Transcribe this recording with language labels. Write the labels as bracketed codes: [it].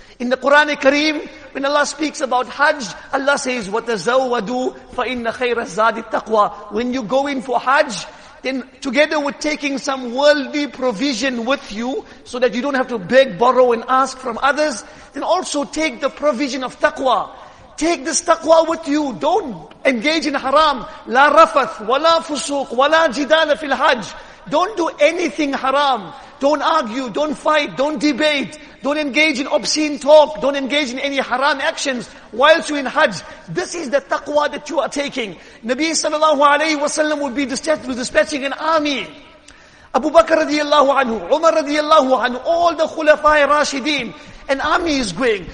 [en] In the Quran Kareem, when Allah speaks about Hajj, Allah says, [ar] وَتَزَوَّدُوا فَإِنَّ خَيْرَ الزَّادِ التَّقْوَى. [en] When you go in for Hajj, then together with taking some worldly provision with you, so that you don't have to beg, borrow and ask from others, then also take the provision of taqwa. Take this taqwa with you. Don't engage in haram. [ar] لا رفث ولا فسوق ولا جدال في الحج. [en] Don't do anything haram. Don't argue, don't fight, don't debate, don't engage in obscene talk, don't engage in any haram actions whilst you're in Hajj. This is the taqwa that you are taking. Nabi sallallahu alayhi wa sallam would be dispatching an army. Abu Bakr radiallahu anhu, Umar radiallahu anhu, all the Khulafai Rashideen, an army is going.